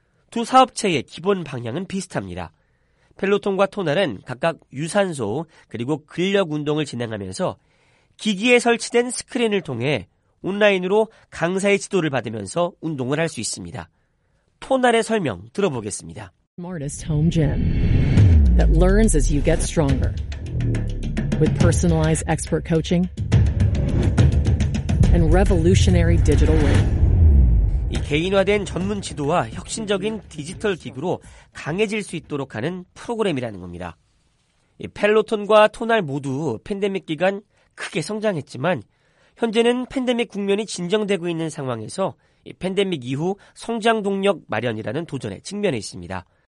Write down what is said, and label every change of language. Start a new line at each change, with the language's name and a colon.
Korean: 두 사업체의 기본 방향은 비슷합니다. 펠로톤과 토날은 각각 유산소 그리고 근력 운동을 진행하면서 기기에 설치된 스크린을 통해 온라인으로 강사의 지도를 받으면서 운동을 할 수 있습니다. 토날의 설명 들어보겠습니다.
English: Smartest home gym that learns as you get stronger with personalized expert coaching and revolutionary digital weight.
Korean: 이 개인화된 전문 지도와 혁신적인 디지털 기구로 강해질 수 있도록 하는 프로그램이라는 겁니다. 이 펠로톤과 토날 모두 팬데믹 기간 크게 성장했지만 현재는 팬데믹 국면이 진정되고 있는 상황에서 이 팬데믹 이후 성장 동력 마련이라는 도전에 직면해 있습니다.